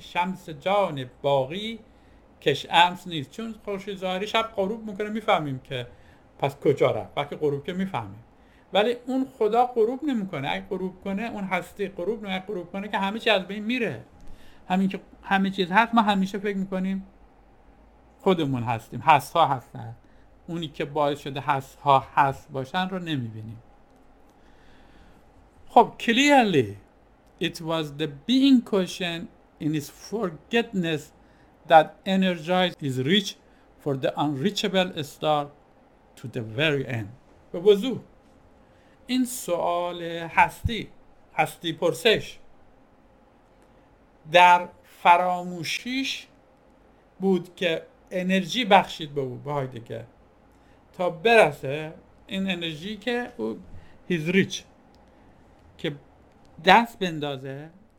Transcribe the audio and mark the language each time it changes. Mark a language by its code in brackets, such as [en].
[fa] شمس جان باقی کش امس نیست، چون خورشید ظاهری شب غروب میکنه میفهمیم که پس کجا رفت، وقتی غروب که میفهمیم، ولی اون خدا غروب نمیکنه. اگه غروب کنه اون هستی غروب نمیکنه، اگه غروب کنه که همه چیز از بین میره. همین که همه چیز هست، ما همیشه فکر میکنیم خودمون هستیم، هست ها هستن، اونی که باعث شده هست ها هست باشن رو نمیبینیم. [en] خب clearly it was the being question in its forgetfulness that energized his reach for the unreachable star to the very end. [fa] به وضوح این سوال هستی، هستی پرسش در فراموشیش بود که انرژی بخشید به او، به هایدگر، تا برسه این انرژی که او [en] his reach [fa] که دست بندازه